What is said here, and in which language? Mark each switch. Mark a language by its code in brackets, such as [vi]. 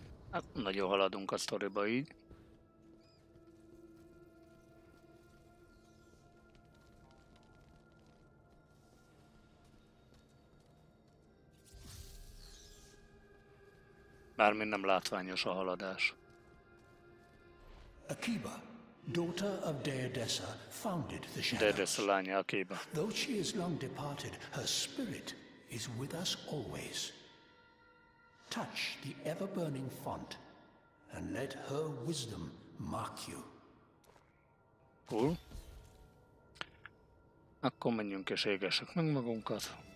[hu] Hát nagyon haladunk a sztoriba így. Mármint nem látványos a haladás. [en] Akiba, daughter of Deidessa, founded the shadows. [hu] Deidessa lánya, Akiba. [en] Though she is long departed, her spirit is with us always. Touch the ever-burning font, and let her wisdom mark you. Cool. [hu] Akkor menjünk és égessük meg magunkat.